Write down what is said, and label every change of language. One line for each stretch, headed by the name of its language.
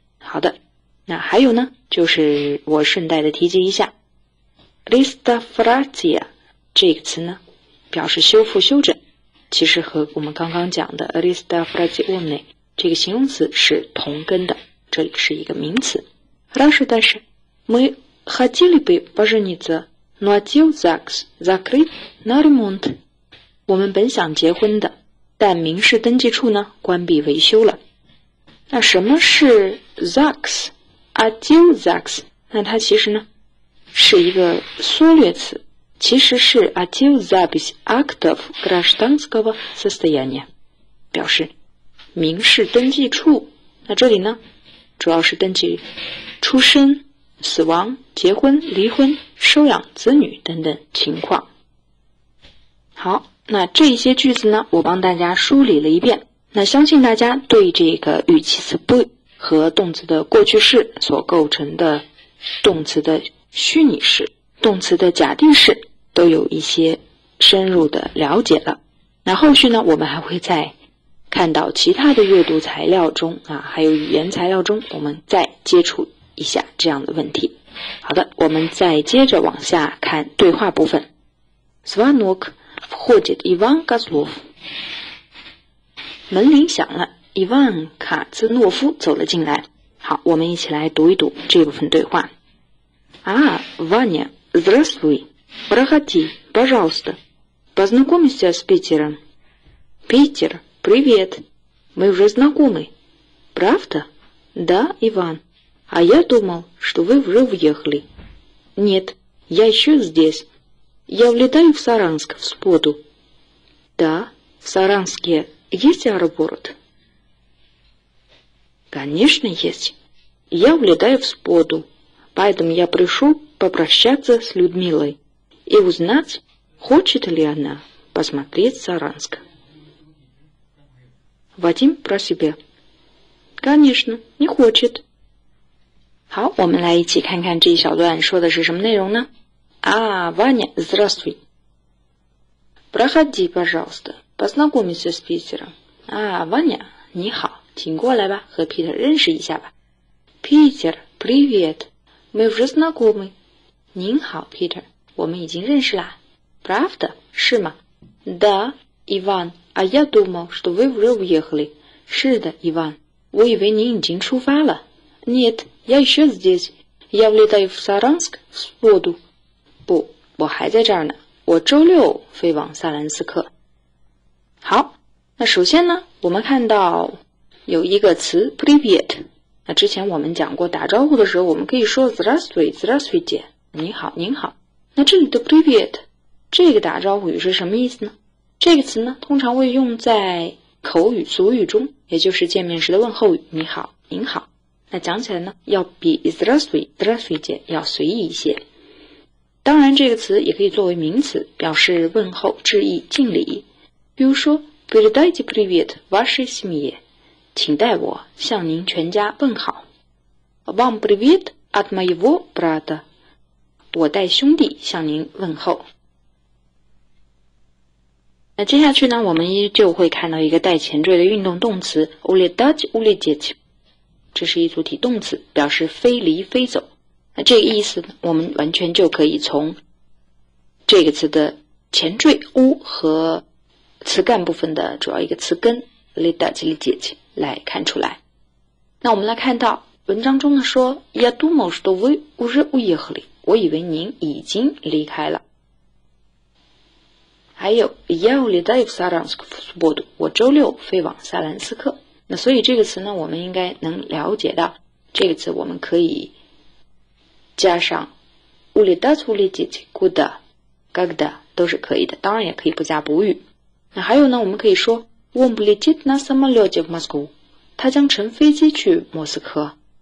Chinese: 好的，那还有呢，就是我顺带的提及一下 реставрация 这个词呢，表示修复、修整，其实和我们刚刚讲的 реставрационные 这个形容词是同根的，这里是一个名词。
Russian: Хорошо, дальше. Мы хотели бы пожениться, но отдел ЗАГС закрыт на ремонт.
Chinese: 我们本想结婚的，但民事登记处呢，关闭维修了。那什么是 ЗАГС? Отдел ЗАГС? 那它其实呢，是一个缩略词，其实是 Отдел ЗАГС АКТОВ ГРАЖДАНСКОГО СОСТОЯНИЯ, 表示民事登记处。那这里呢，主要是登记出生、死亡、结婚、离婚、收养子女等等情况。好，那这些句子呢，我帮大家梳理了一遍。那相信大家对这个语气词 бы 和动词的过去式所构成的动词的虚拟式、动词的假定式都有一些深入的了解了。那后续呢，我们还会再看到其他的阅读材料中啊，还有语言材料中，我们再接触一下这样的问题。好的，我们再接着往下看对话部分。
Russian: Звонок входит Иван Козлов.
Chinese: 门铃响了，伊万·卡兹诺夫走了进来。好，我们一起来读一读这部分对话。
Russian: А, Ваня, здравствуй. Проходи, пожалуйста. Познакомься с Питером. Питер. Привет. Мы уже знакомы. Правда? Да, Иван. А я думал, что вы уже уехали. Нет, я еще здесь. Я влетаю в Саранск, в субботу. Да, в Саранске есть аэропорт? Конечно, есть. Я влетаю в субботу, поэтому я пришел попрощаться с Людмилой и узнать, хочет ли она посмотреть Саранск. Вадим про себя. Конечно, не хочет.
Chinese: 好，我们来一起看看这一小段说的是什么内容呢？
Russian: 啊，Ваня, здравствуй. Проходи, пожалуйста, познакомься с Питером.
Chinese: 啊，Ваня, 你好，请过来吧，和 Питер 认识一下吧。
Russian: Питер, привет. Мы уже знакомы.
Chinese: 您好，Питер, 我们已经认识啦。
Russian: Правда,
Chinese: 是吗
Russian: ？Да, Иван, а я думал, что вы уже уехали.
Chinese: 是的，Иван, 我以为您已经出发了。
Russian: Нет, я еще здесь. Я влетаю в Саранск в субботу.
Chinese: 不，我还在这儿呢。我周六飞往萨兰斯克。好，那首先呢，我们看到有一个词 Привет。那之前我们讲过，打招呼的时候我们可以说 Здравствуй, Здравствуйте, 您好，您好。那这里的 Привет, 这个打招呼语是什么意思呢？这个词呢，通常会用在口语俗语中，也就是见面时的问候语，你好，您好。那讲起来呢，要比 Здравствуй, Здравствуйте 要随意一些。当然这个词也可以作为名词，表示问候、致意、敬礼。比如说
Russian: Передайте привет вашей семье,
Chinese: 请代我向您全家问好。
Russian: Вам привет от моего брата,
Chinese: 我代兄弟向您问候。那接下去呢，我们依旧会看到一个带前缀的运动动词 Улетать, улететь。这是一组体动词，表示飞离飞走。那这个意思呢，我们完全就可以从这个词的前缀乌和词干部分的主要一个词根 летать, лететь 来看出来。那我们来看到文章中呢说
Russian: Я думал, что вы уже уехали,
Chinese: 我以为您已经离开了。还有
Russian: Я улетаю в Саранск в субботу,
Chinese: 我周六飞往萨兰斯克。那所以这个词呢，我们应该能了解到，这个词我们可以加上 улетать, улететь, куда, когда 都是可以的，当然也可以不加补语。那还有呢，我们可以说
Russian: он полетит на самолете в Москву,
Chinese: 他将乘飞机去莫斯科。